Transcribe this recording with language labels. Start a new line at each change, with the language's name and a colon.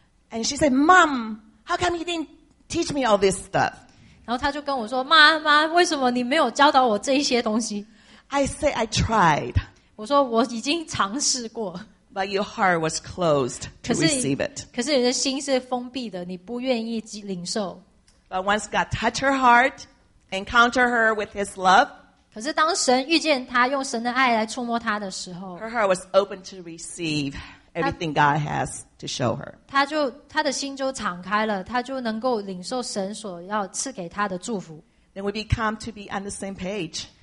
English: And she said, Mom, how come you didn't teach me all this stuff?
Chinese: 然后他就跟我说，妈妈，为什么你没有教导我这一些东西？
English: I say, I tried.
Chinese: 我说我已经尝试过
English: ，But your heart was closed to receive it.
Chinese: 可是你的心是封闭的，你不愿意领受。
English: But once God touched her heart, encountered her with His love.
Chinese: 可是当神遇见她，用神的爱来触摸她的时候
English: ，Her heart was open to receive everything God has to show her.
Chinese: 她的心就敞开了，她就能够领受神所要赐给她的祝福。
English: Then we become to be on the same page.